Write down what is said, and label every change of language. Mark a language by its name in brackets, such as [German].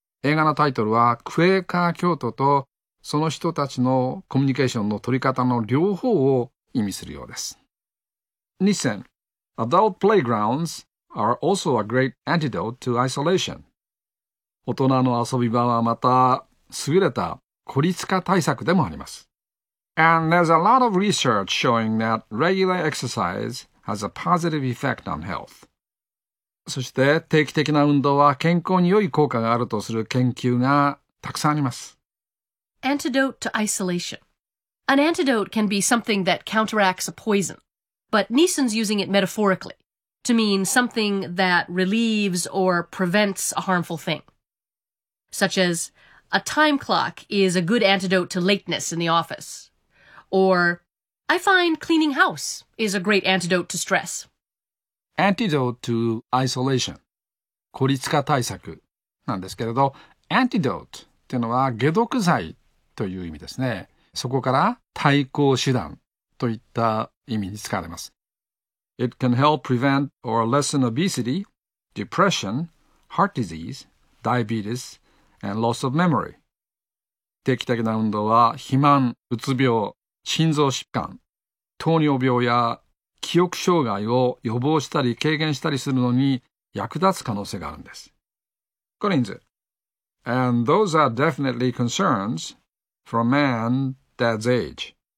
[Japanese] 映画のタイトルはクエーカー教徒とその人たちのコミュニケーションの取り方の両方を意味するようです。 [English] 2000 Adult Playgrounds are also a great antidote to isolation. [Japanese] 大人の遊び場はまた優れた孤立化対策でもあります。 [English] And there's a lot of research showing that regular exercise has a positive effect on health. [Japanese] そして定期的な運動は健康に良い効果があるとする研究がたくさんあります。 [English] Antidote to isolation. An antidote can be something that counteracts a poison, but Neeson's using it metaphorically to mean something that relieves or prevents a harmful thing. Such as, a time clock is a good antidote to lateness in the office. Or, I find cleaning house is a great antidote to stress. Antidote to isolation. [Japanese] 孤立化対策なんですけれど、antidote っていうのは解毒剤という意味ですね。そこから対抗手段といった意味に使われます。 [English] It can help prevent or lessen obesity, depression, heart disease, diabetes, and loss of memory. [Japanese] 定期的な運動は肥満、うつ病、心臓疾患、糖尿病や記憶障害を予防したり軽減したりするのに役立つ可能性があるんです。コリンズ。 [English] And those are definitely concerns for a man that's age.